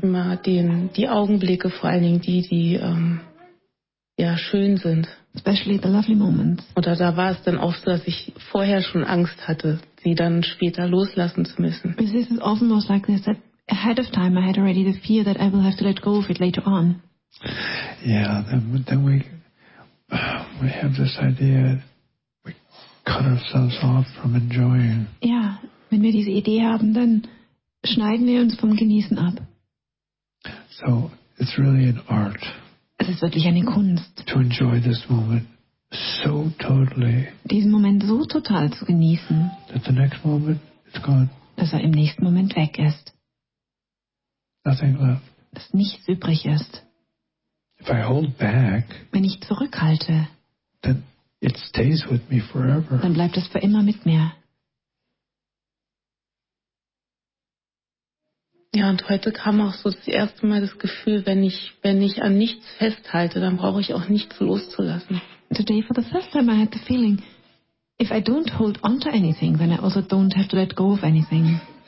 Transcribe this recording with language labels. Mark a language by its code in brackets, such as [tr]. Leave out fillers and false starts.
[de] Immer die Augenblicke, vor allen Dingen die schön sind. [en] Especially the lovely moments. [de] Oder da war es dann oft so, dass ich vorher schon Angst hatte, sie dann später loslassen zu müssen. [en] This is often most like this, that ahead of time I had already the fear that I will have to let go of it later on. Yeah, then we have this idea we cut ourselves off from enjoying. [de] Ja, wenn wir diese Idee haben, dann schneiden wir uns vom Genießen ab. [en] So it's really an art. [de] Es ist wirklich eine Kunst. [en] To enjoy this moment so totally. [de] Diesen Moment so total zu genießen. [en] That the next moment is gone. [de] Dass im nächsten Moment weg ist. [en] Nothing left. [de] Dass nichts übrig ist. [en] If I hold back, [de] wenn ich zurückhalte, [en] then it stays with me forever. [de] Dann bleibt es für immer mit mir. Ja, und heute kam auch so das erste Mal das Gefühl, wenn ich an nichts festhalte, dann brauche ich auch nichts loszulassen. [en] Today for the first time I had the feeling, if I don't hold on to anything, then I also don't have to let go of anything.